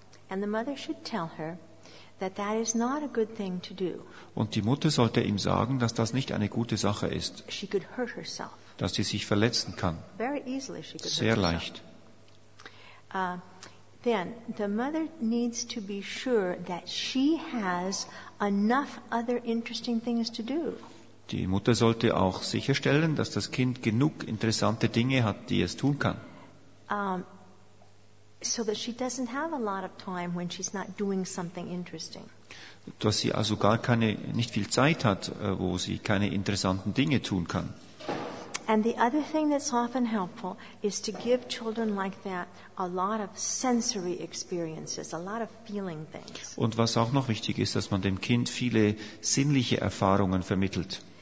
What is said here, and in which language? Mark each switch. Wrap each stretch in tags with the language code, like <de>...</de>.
<en>And the mother should tell her that that is not a good thing to do.</en> <de>Und die Mutter sollte ihm sagen, dass das nicht eine gute Sache ist.</de> <en>She could hurt herself.</en> <de>Dass sie sich verletzen kann.</de> <en>Very easily she could.</en> <de>Sehr leicht.</de> <en>Then the mother needs to be sure that she has enough other interesting things to do.</en> <de>Die Mutter sollte auch sicherstellen, dass das Kind genug interessante Dinge hat, die es tun kann.</de> <en>So that she doesn't have a lot of time when she's not doing something interesting.</en> <de>Dass sie also gar keine, nicht viel Zeit hat, wo sie keine interessanten Dinge tun kann.</de> <en>And the other thing that's often helpful is to give children like that a lot of sensory experiences, a lot of feeling things.</en> <de>Und was auch noch wichtig ist, dass man dem Kind viele sinnliche Erfahrungen vermittelt.</de>